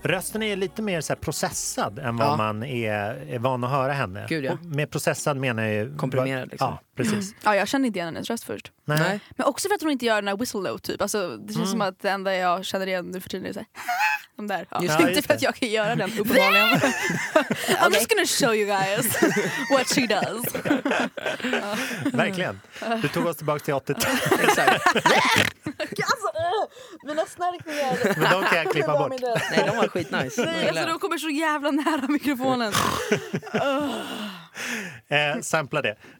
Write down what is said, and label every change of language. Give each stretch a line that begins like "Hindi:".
Swedish: Rösten är lite mer så här processad än vad man är van att höra henne. Gud, ja. Och med processad menar jag ju... Komprimerad liksom. Ja, precis. Ja, jag känner inte igen hennes röst först. Nej. Nej. Men också för att hon inte gör den här whistle note typ. Alltså, det känns som att det enda jag känner igen nu för tiden är så här... De där. Ja. Just inte för att jag kan göra den uppenbarligen.
English: I'm just gonna show you guys what she does.
Swedish: Verkligen. Du tog oss tillbaka till 80-talet. Alltså, mina snarkningar... De kan jag klippa bort. Nej, de var skitnice. Nej, alltså de kommer så jävla nära mikrofonen. Sampla det.